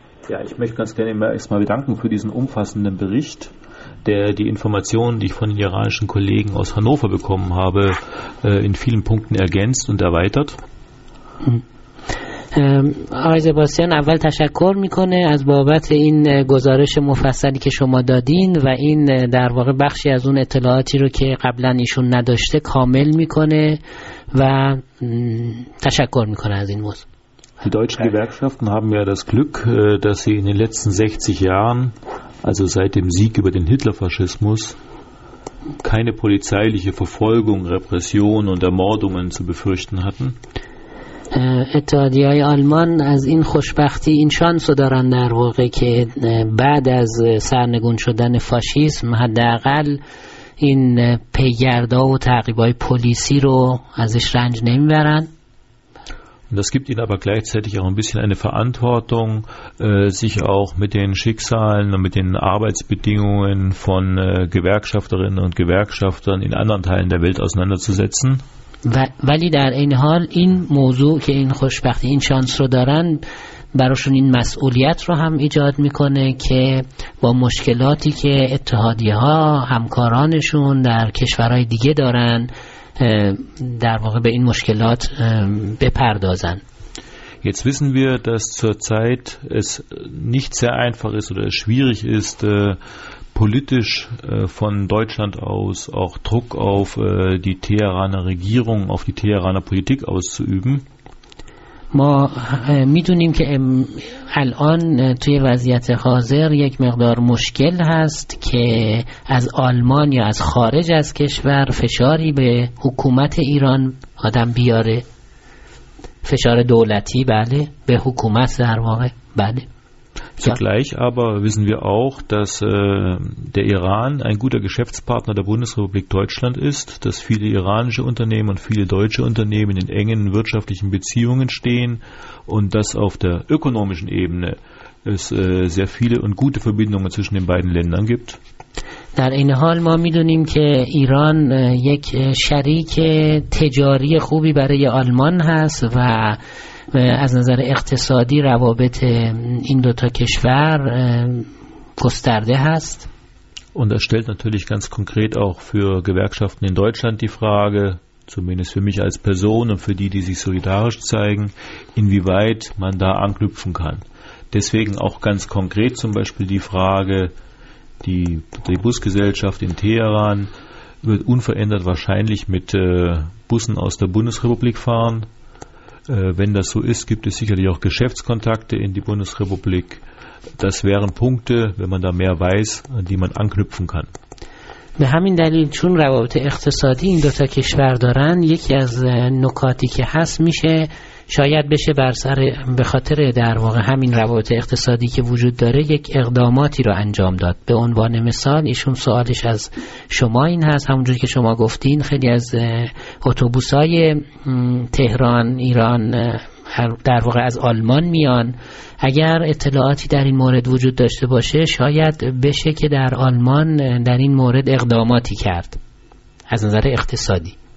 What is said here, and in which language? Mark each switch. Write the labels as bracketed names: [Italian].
[German] Ja, ich möchte ganz gerne erstmal bedanken für diesen umfassenden Bericht, der die Informationen, die ich von den iranischen Kollegen aus Hannover bekommen habe, in vielen Punkten ergänzt und erweitert. [Persian] آقای سباستیان اول تشکر میکنه از بابت این گزارش مفصلی که شما دادین و این در واقع بخشی از اون اطلاعاتی رو که قبلا ایشون نداشته کامل میکنه و تشکر میکنه از این موضوع. [German] Die deutschen Gewerkschaften haben ja das Glück, dass sie in den letzten 60 Jahren, also seit dem Sieg über den Hitlerfaschismus, keine polizeiliche Verfolgung, Repression und Ermordungen zu befürchten hatten. [Persian] اتحادیه‌های آلمان از این خوشبختی این شانس رو دارن در واقع که بعد از سرنگون شدن فاشیسم حداقل این پیگردا و تعقیبای پلیسی رو ازش رنج نمیبرن. [German] Das gibt ihnen aber gleichzeitig auch ein bisschen eine Verantwortung, sich auch mit den Schicksalen und mit den Arbeitsbedingungen von Gewerkschafterinnen und Gewerkschaftern in anderen Teilen der Welt auseinanderzusetzen. [Persian] ولی در این حال این موضوع که این خوشبختی این شانس رو دارن براشون این مسئولیت رو هم ایجاد میکنه که با مشکلاتی که اتحادیه ها همکارانشون در کشورهای دیگه دارن در واقع به این مشکلات بپردازن. [German] Jetzt wissen wir, dass zurzeit es nicht sehr einfach ist oder schwierig ist, politisch von Deutschland aus auch Druck auf die Teheraner Regierung, auf die Teheraner Politik auszuüben. [Persian] ما میدونیم که الان توی وضعیت حاضر یک مقدار مشکل هست که از آلمان یا از خارج از کشور فشاری به حکومت ایران آدم بیاره، فشار دولتی، بله، به حکومت در واقع، بله. [German] Zugleich aber wissen wir auch, dass der Iran ein guter Geschäftspartner der Bundesrepublik Deutschland ist, dass viele iranische Unternehmen und viele deutsche Unternehmen in engen wirtschaftlichen Beziehungen stehen und dass auf der ökonomischen Ebene es sehr viele und gute Verbindungen zwischen den beiden Ländern gibt. [Persian] در این حال ما میدونیم که ایران یک شریک تجاری خوبی برای آلمان هست و از نظر اقتصادی روابط این دو تا کشور گسترده هست. [German] Und das stellt natürlich ganz konkret auch für Gewerkschaften in Deutschland die Frage, zumindest für mich als Person und für die sich solidarisch zeigen, inwieweit man da anknüpfen kann. Deswegen auch ganz konkret zum Beispiel die Frage, die Busgesellschaft in Teheran wird unverändert wahrscheinlich mit Bussen aus der Bundesrepublik fahren. Wenn das so ist, gibt es sicherlich auch Geschäftskontakte in die Bundesrepublik. Das wären Punkte, wenn man da mehr weiß, an die man anknüpfen kann. [Persian] به همین دلیل چون روابط اقتصادی این دو تا کشور دارن، یکی از نکاتی که هست میشه شاید بشه بر سر به خاطر در واقع همین روابط اقتصادی که وجود داره یک اقداماتی رو انجام داد. به عنوان مثال ایشون سوالش از شما این هست، همونجور که شما گفتین خیلی از اتوبوسای تهران ایران در واقع از آلمان میان، اگر اطلاعاتی در این مورد وجود داشته باشه شاید بشه که در آلمان در این مورد اقداماتی کرد از نظر اقتصادی.